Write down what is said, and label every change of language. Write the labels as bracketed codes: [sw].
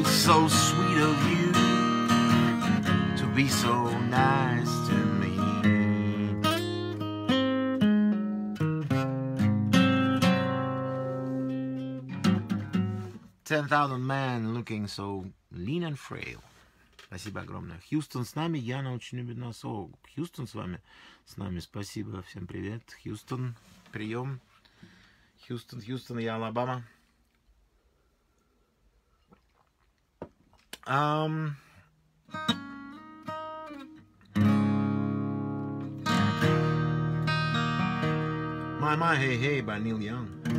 [en] It's so sweet of you to be so nice to me. Ten thousand men looking so lean and frail. [ru] Спасибо огромное. Хьюстон с нами, Яна очень любит нас. О, Хьюстон с вами, с нами. Спасибо, всем привет. Хьюстон, прием. Хьюстон, Хьюстон и Алабама. [en] My, my, hey, hey, by Neil Young.